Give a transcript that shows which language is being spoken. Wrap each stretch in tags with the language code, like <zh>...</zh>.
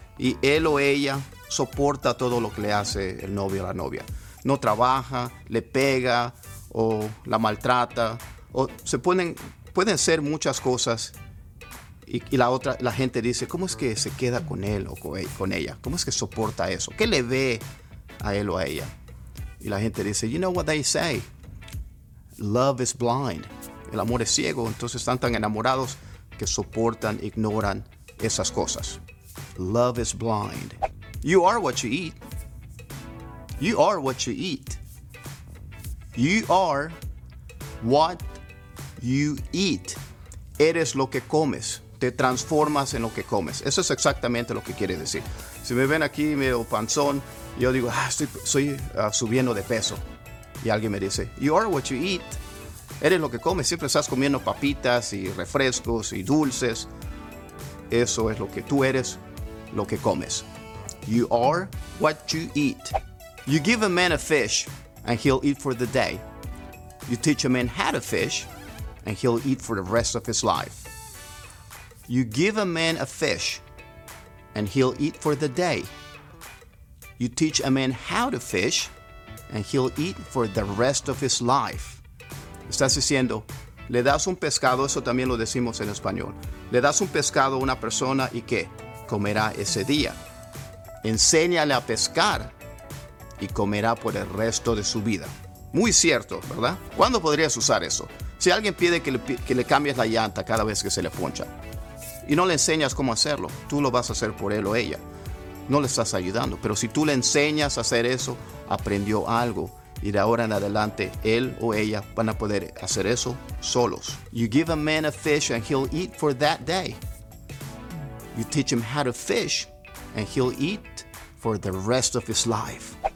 <es>y él o ella soporta todo lo que le hace el novio o la novia. No trabaja, le pega o la maltrata, o se pueden hacer muchas cosas. Y la otra, la gente dice, ¿cómo es que se queda con él o con ella? ¿Cómo es que soporta eso? ¿Qué le ve a él o a ella? Y la gente dice,</es> <en>you know what they say, love is blind.</en> <es>El amor es ciego, entonces están tan enamorados que soportan, ignoran esas cosas.</es> <en>Love is blind. You are what you eat. You are what you eat. You are what you eat.</en> <es>Eres lo que comes. Te transformas en lo que comes. Eso es exactamente lo que quiere decir. Si me ven aquí medio panzón, yo digo, estoy subiendo de peso. Y alguien me dice,</es> <en>you are what you eat.</en> <es>Eres lo que comes. Siempre estás comiendo papitas y refrescos y dulces. Eso es lo que tú eres, lo que comes.</es> <en>You are what you eat. You give a man a fish and he'll eat for the day. You teach a man how to fish and he'll eat for the rest of his life. You give a man a fish and he'll eat for the day. You teach a man how to fish and he'll eat for the rest of his life.</en> <es>Estás diciendo, le das un pescado, eso también lo decimos en español. Le das un pescado a una persona y ¿qué? Comerá ese día. Enséñale a pescar y comerá por el resto de su vida. Muy cierto, ¿verdad? ¿Cuándo podrías usar eso? Si alguien pide que le cambies la llanta cada vez que se le poncha y no le enseñas cómo hacerlo, tú lo vas a hacer por él o ella. No le estás ayudando. Pero si tú le enseñas a hacer eso, aprendió algo. Y de ahora en adelante, él o ella van a poder hacer eso solos.</es> <en>You give a man a fish and he'll eat for that day. You teach him how to fish and he'll eat for the rest of his life.</en>